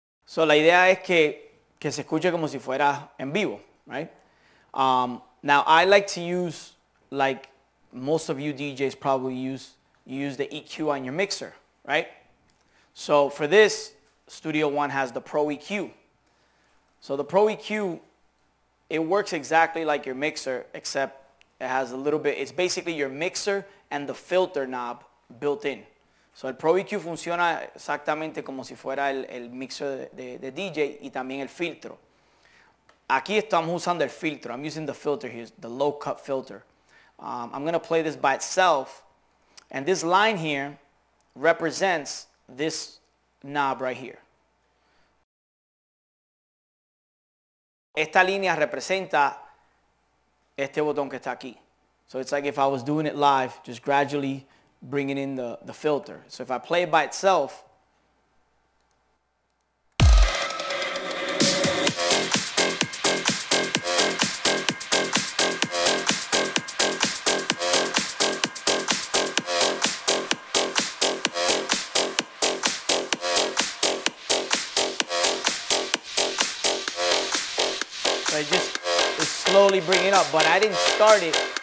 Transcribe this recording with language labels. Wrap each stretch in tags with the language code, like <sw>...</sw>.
<es>So la idea es que se escuche como si fuera en vivo, right?</es> <en>Now I like to use, like most of you DJs probably use the EQ on your mixer, right? So for this, Studio One has the Pro EQ. So the Pro EQ, it works exactly like your mixer, except it has a little bit, it's basically your mixer and the filter knob built in.</en> <es>So el Pro EQ funciona exactamente como si fuera el mixer de DJ y también el filtro. Aquí estamos usando el filtro.</es> <en>I'm using the filter here, the low cut filter. I'm going to play this by itself. And this line here represents this knob right here.</en> <es>Esta línea representa este botón que está aquí.</es> <en>So it's like if I was doing it live, just gradually bringing in the filter. So if I play it by itself. So it just is slowly bringing up, but I didn't start it.</en>